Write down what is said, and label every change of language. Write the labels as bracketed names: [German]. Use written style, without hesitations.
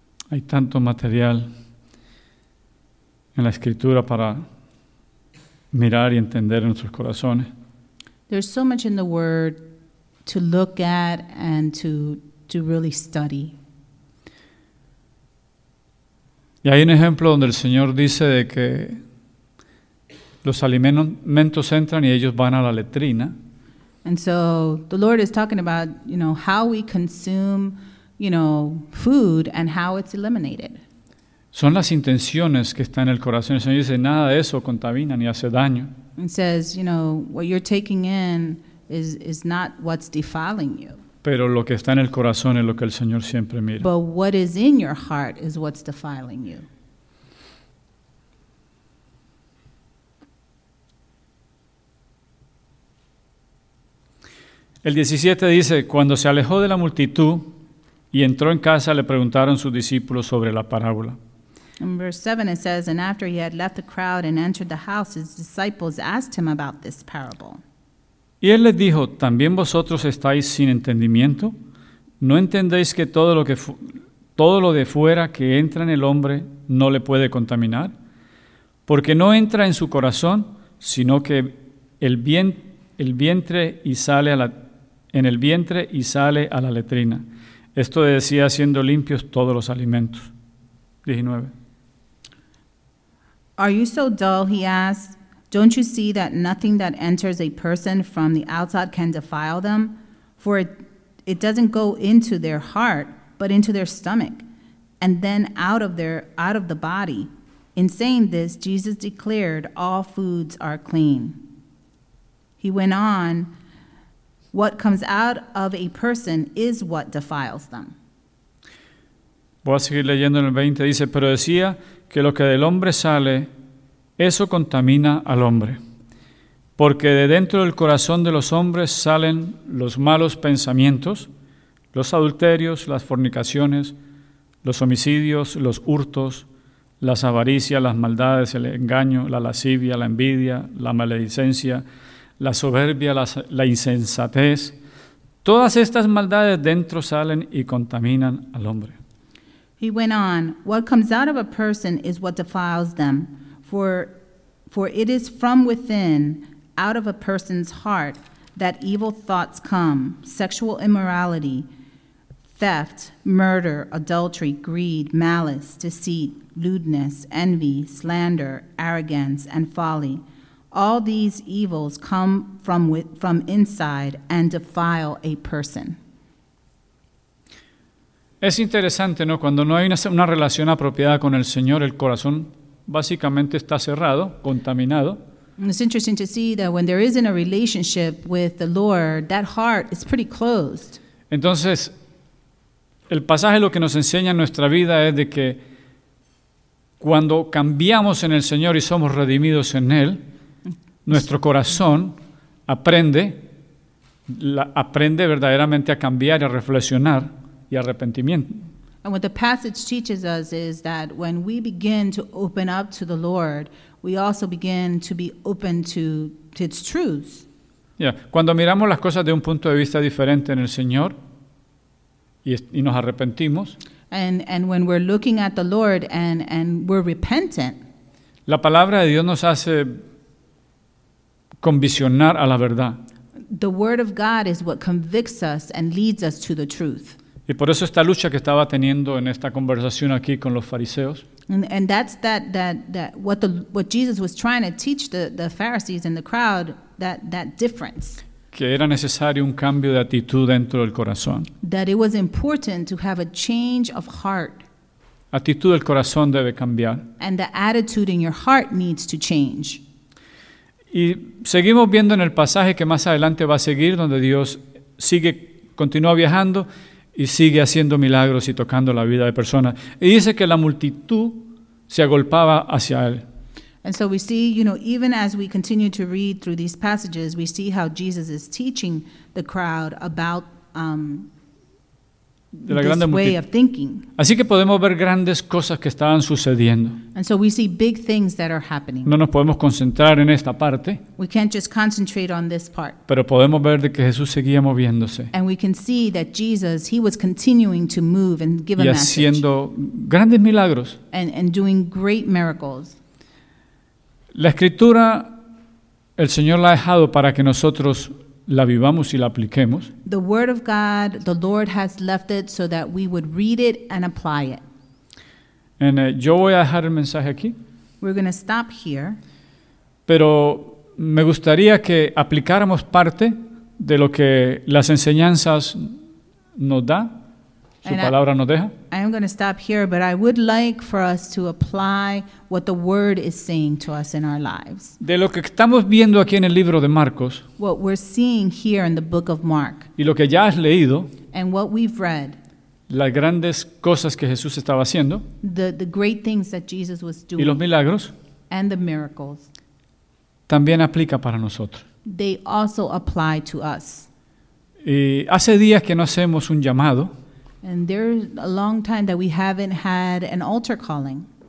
[Spanish] Hay tanto material en la escritura para mirar y entender en nuestros corazones. [English] There's so much in the word to look at and to really study. [Spanish] Y hay un ejemplo donde el Señor dice de que Los alimentos entran y ellos van a la letrina. [English] And so the Lord is talking about, you know, how we consume, you know, food and how it's eliminated. [Spanish] Son las intenciones que están en el corazón. El Señor dice, nada de eso contamina ni hace daño. [English] And says, you know, what you're taking in is not what's defiling you. [Spanish] Pero lo que está en el corazón es lo que el Señor siempre mira. [English] But what is in your heart is what's defiling you. [Spanish] El 17 dice, cuando se alejó de la multitud y entró en casa, le preguntaron sus discípulos sobre la parábola. [English] In verse 7 it says, and after he had left the crowd and entered the house, his disciples asked him about this parable. [Spanish] Y él les dijo, ¿también vosotros estáis sin entendimiento? ¿No entendéis que todo lo de fuera que entra en el hombre no le puede contaminar? Porque no entra en su corazón, sino que el vientre y sale a la letrina. Esto decía siendo limpios todos los alimentos. 19. [English] Are you so dull, he asked. Don't you see that nothing that enters a person from the outside can defile them? For it doesn't go into their heart, but into their stomach, and then out of the body. In saying this, Jesus declared all foods are clean. He went on, what comes out of a person is what defiles them. [Spanish] Voy a seguir leyendo en el 20. Dice, pero decía que lo que del hombre sale, eso contamina al hombre. Porque de dentro del corazón de los hombres salen los malos pensamientos, los adulterios, las fornicaciones, los homicidios, los hurtos, las avaricias, las maldades, el engaño, la lascivia, la envidia, la maledicencia, la soberbia, la insensatez. Todas estas maldades dentro salen y contaminan al hombre. [English] He went on, what comes out of a person is what defiles them. For it is from within, out of a person's heart, that evil thoughts come, sexual immorality, theft, murder, adultery, greed, malice, deceit, lewdness, envy, slander, arrogance, and folly. All these evils come from inside and defile a person. [Spanish] Es interesante, ¿no? Cuando no hay una relación apropiada con el Señor, el corazón básicamente está cerrado, contaminado. [English] And it's interesting to see that when there isn't a relationship with the Lord, that heart is pretty closed. [Spanish] Entonces, el pasaje lo que nos enseña en nuestra vida es de que cuando cambiamos en el Señor y somos redimidos en Él, nuestro corazón aprende verdaderamente a cambiar, a reflexionar y arrepentimiento. [English] And what the passage teaches us is that when we begin to open up to the Lord, we also begin to be open to its truths. Yeah. [Spanish] Cuando miramos las cosas de un punto de vista diferente en el Señor y nos arrepentimos. [English] And when we're looking at the Lord and we're repentant. [Spanish] La palabra de Dios nos hace convicionar a la verdad. [English] The word of God is what convicts us and leads us to the truth. [Spanish] Y por eso esta lucha que estaba teniendo en esta conversación aquí con los fariseos. [English] And that's what Jesus was trying to teach the Pharisees and the crowd, that difference. [Spanish] Que era necesario un cambio de actitud dentro del corazón. [English] That it was important to have a change of heart. [Spanish] Actitud del corazón debe cambiar. [English] And the attitude in your heart needs to change. [Spanish] Y seguimos viendo en el pasaje que más adelante va a seguir, donde Dios continúa viajando y sigue haciendo milagros y tocando la vida de personas. Y dice que la multitud se agolpaba hacia él. [English] And so we see, you know, even as we continue to read through these passages, we see how Jesus is teaching the crowd about [Spanish] de la [English] this [Spanish] grande [English] way of thinking. [Spanish] Así que podemos ver grandes cosas que estaban sucediendo. [English] And so we see big things that are happening. [Spanish] No nos podemos concentrar en esta parte. [English] We can't just concentrate on this part. [Spanish] Pero podemos ver de que Jesús seguía moviéndose. [English] And we can see that Jesus, he was continuing to move and give [Spanish] y [English] a message. [Spanish] Y haciendo grandes milagros. [English] And doing great miracles. [Spanish] La escritura, el Señor la ha dejado para que nosotros la vivamos y la apliquemos. [English] The word of God, the Lord has left it so that we would read it and apply it. [Spanish] And yo voy a dejar el mensaje aquí. [English] We're going to stop here. [Spanish] Pero me gustaría que aplicáramos parte de lo que las enseñanzas nos da, palabra nos deja. [English] I am going to stop here, but I would like for us to apply what the word is saying to us in our lives. [Spanish] De lo que estamos viendo aquí en el libro de Marcos. [English] What we're seeing here in the book of Mark. [Spanish] Y lo que ya has leído. [English] And what we've read. [Spanish] Las grandes cosas que Jesús estaba haciendo. [English] The great things that Jesus was doing. [Spanish] Y los milagros. [English] And the miracles. [Spanish] También aplica para nosotros. [English] They also apply to us. [Spanish] Y hace días que no hacemos un llamado. [English] And there's a long time that we haven't had an altar calling.